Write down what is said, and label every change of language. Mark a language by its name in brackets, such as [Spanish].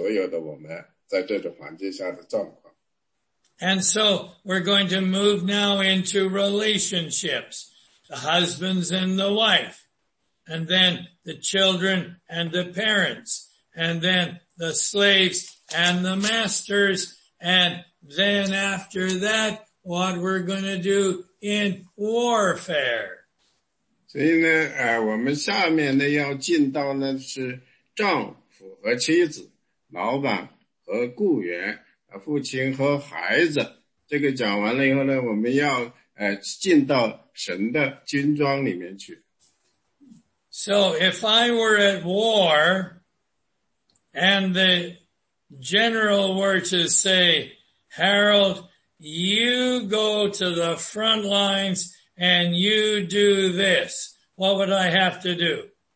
[Chinese] 在我们人生的很多情况和环境下，我们要顺服圣灵，而圣灵来去掌控着所有的我们在这种环境下的状况。 [English] And so we're going to move now into relationships, the husbands and the wife, and then the children and the parents, and then the slaves and the masters, and then after that, what we're going to do in warfare. [Chinese] 所以呢，我们下面呢要进到呢是丈夫和妻子、老板和雇员、父亲和孩子。这个讲完了以后呢，我们要进到神的军装里面去。 [English] So if I were at war, and the general were to say, Harold, you go to the front lines and you do this, what would I have to do?